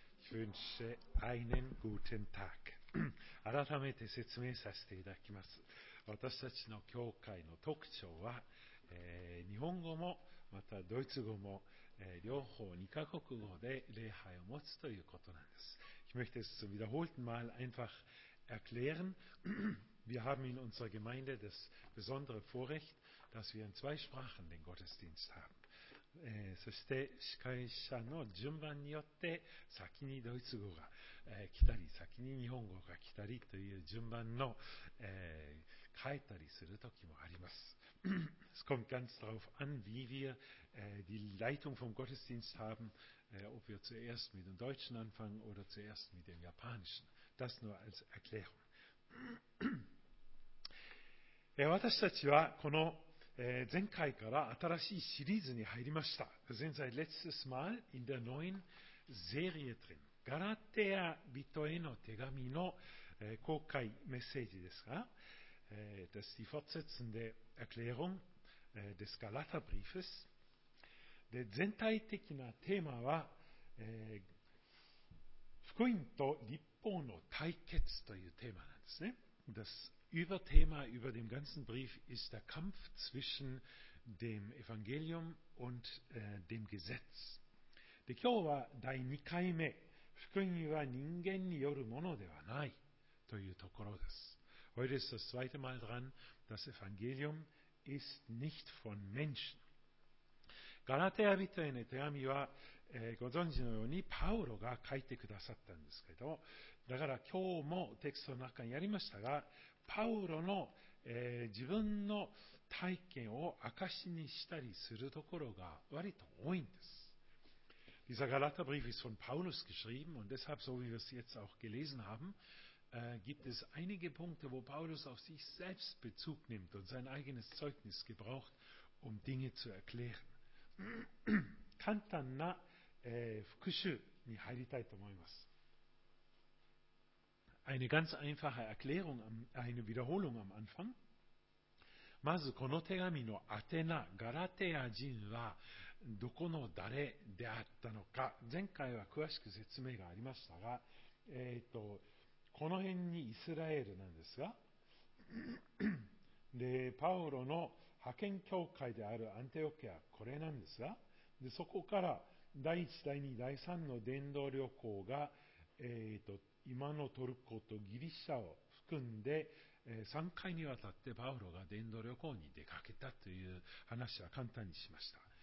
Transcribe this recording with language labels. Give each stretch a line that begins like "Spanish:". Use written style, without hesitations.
German: Wünsche einen guten Tag。
Japanese: 改めて説明させていただきます。私たちの教会の特徴は、日本語もまたドイツ語も、両方2カ国語で礼拝を持つということなんです。
German: Ich möchte es zum wiederholten Mal einfach erklären. Wir haben in unserer Gemeinde das besondere Vorrecht, dass wir in zwei Sprachen den Gottesdienst haben.
Japanese: そして司会者の順番によって先にドイツ語が、来たり先に日本語が来たりという順番の、変えたりする時もあります。
German: Es kommt ganz darauf an, wie wir、die Leitung vom Gottesdienst haben,、ob wir zuerst mit dem Deutschen anfangen oder zuerst mit dem Japanischen. Das nur als Erklärung.
Japanese: 私たちはこの前回から新しいシリーズに入りました。
German: 前回、letztes Mal in der neuen Serie drin。
Japanese: ガラテア人への手紙の、公開メッセージですが、
German: das ist die fortsetzende Erklärung、des Galaterbriefes。
Japanese: で、全体的なテーマは、福音と律法の対決というテーマなんですね。
German: Das Überthema über dem ganzen Brief ist der Kampf zwischen dem Evangelium und、dem Gesetz.
Japanese: で、今日は第2回目、福音は人間によるものではないというところです。
German: Heute ist das zweite Mal dran, das Evangelium ist nicht von Menschen.
Japanese: ガラテヤ人への手紙は、ご存知のようにパウロが書いてくださったんですけど、だから今日もテキストの中にやりましたが、パウロの、自分の体験を証しにしたりするところが割と多いんです。
German: Dieser Galaterbrief ist von Paulus geschrieben und deshalb, so wie wir es jetzt auch gelesen haben, gibt es einige Punkte, wo Paulus auf sich selbst Bezug nimmt und sein eigenes Zeugnis gebraucht, um Dinge zu erklären.
Japanese: 簡単な、復習に入りたいと思います。
German: Eine ganz einfache Erklärung, eine Wiederholung am Anfang.
Japanese: まずこの手紙の宛名、ガラテヤ人はどこの誰であったのか、前回は詳しく説明がありましたが、この辺にイスラエルなんですが、でパウロの派遣教会であるアンテオキアはこれなんですが、でそこから第1、第2、第3の伝道旅行が、今のトルコとギリシャを含んで、3回にわたってパウロが伝道旅行に出かけたという話は簡単にしました。